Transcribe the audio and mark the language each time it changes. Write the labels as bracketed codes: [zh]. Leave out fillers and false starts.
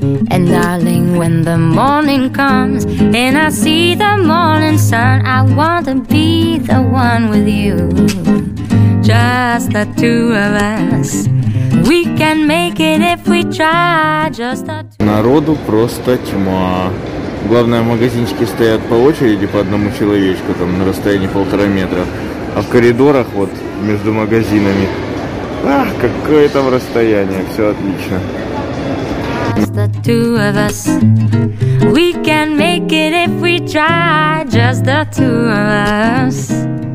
[en] And darling, when the morning comes and I see the morning sun, I want to be the one with you, just the two of us. We can make it if we try, just the two. [ru] Народу просто тьма. Главное, магазинчики стоят по очереди, по одному человечку, там, на расстоянии 1.5 метра. А в коридорах, вот, между магазинами, ах, какое там расстояние, все отлично. [en] Just the two of us. We can make it if we try, just the two of us.